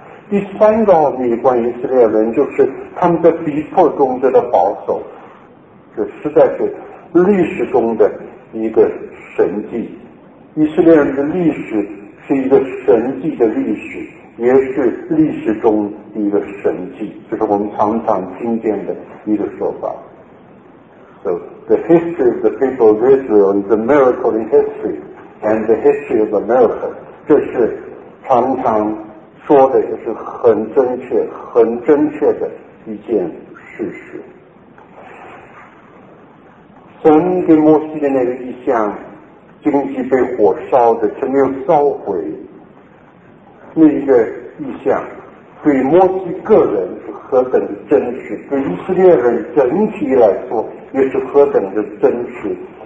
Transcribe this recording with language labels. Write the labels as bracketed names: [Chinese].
[Chinese] 第三个奥秘关于以色列人，就是他们在逼迫中得到保守，这实在是历史中的一个神迹。以色列人的历史是一个神迹的历史，也是历史中一个神迹，就是我们常常听见的一个说法。 [English] So the history of the people of Israel is a miracle in history and the history of America， [Chinese] 这是常常说的，也是很正确很正确的一件事实。神给摩西的那个意象，荆棘被火烧的却没有烧毁，那一个意象对摩西个人是何等的真实，对以色列人整体来说也是何等的真实。